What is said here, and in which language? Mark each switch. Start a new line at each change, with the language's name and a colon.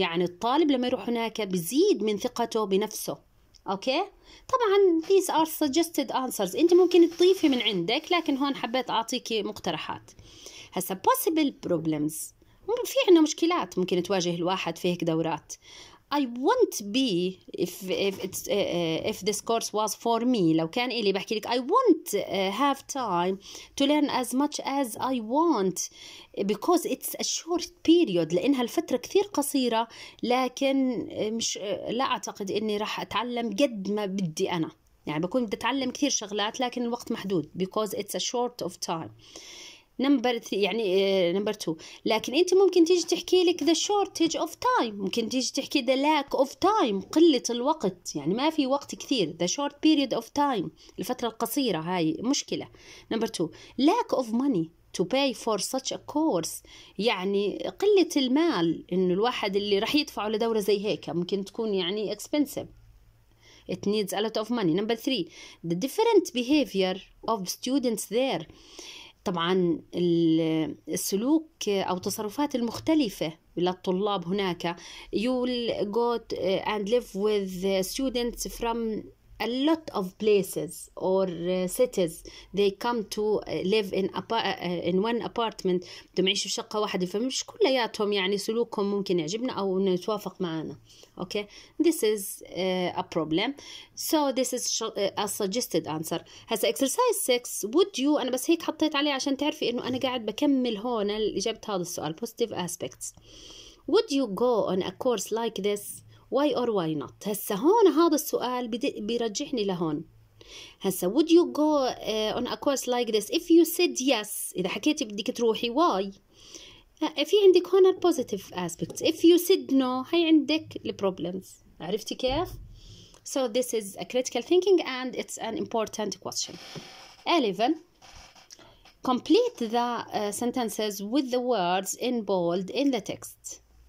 Arabic: يعني الطالب لما يروح هناك بزيد من ثقته بنفسه. أوكي طبعا
English: these are suggested answers
Arabic: انت ممكن تضيفي من عندك لكن هون حبيت أعطيكي مقترحات. هسا
English: possible problems
Arabic: في عنا مشكلات ممكن تواجه الواحد في هيك دورات.
English: I won't be if this course was for me.
Arabic: لو كان إلي بحكي لك
English: I won't have time to learn as much as I want because it's a short period.
Arabic: لأنها الفترة كثير قصيرة لكن مش لا أعتقد إني راح أتعلم قد ما بدي أنا. يعني بكون بدي أتعلم كثير شغلات لكن الوقت محدود
English: because it's a short of time.
Arabic: نمبر 2 لكن انت ممكن تيجي تحكي لك
English: the shortage of time,
Arabic: ممكن تيجي تحكي
English: the lack of time,
Arabic: قلة الوقت, يعني ما في وقت كثير,
English: the short period of time,
Arabic: الفترة القصيرة, هاي مشكلة. نمبر 2
English: lack of money to pay for such a course,
Arabic: يعني قلة المال انه الواحد اللي راح يدفعه لدورة زي هيك ممكن تكون يعني expensive.
English: It needs a lot of money. Number 3 the different behavior of students there.
Arabic: طبعا السلوك او التصرفات المختلفه للطلاب هناك.
English: You will go and live with students from a lot of places or cities. They come to live in one apartment.
Arabic: بدهم يعيشوا في شقه واحده, فمش كلياتهم يعني سلوكهم ممكن يعجبنا او نتوافق معنا.
English: Okay, this is a problem. So this is a suggested answer.
Arabic: هسا
English: exercise 6 would you,
Arabic: أنا بس هيك حطيت عليه عشان تعرفي إنه أنا قاعد بكمل هون الإجابة هذا السؤال
English: positive aspects. Would you go on a course like this? Why or why not?
Arabic: هسا هون هذا السؤال بيرجعني لهون. هسا
English: would you go on a course like this? If you said yes,
Arabic: إذا حكيتي بدك تروحي why؟ في عندك هون البوزيتيف اسبيكتس.
English: If you said no he عندك البروبلمز.
Arabic: عرفتي كيف؟
English: So this is a critical thinking and it's an important question. 11 complete the sentences with the words in bold in the text.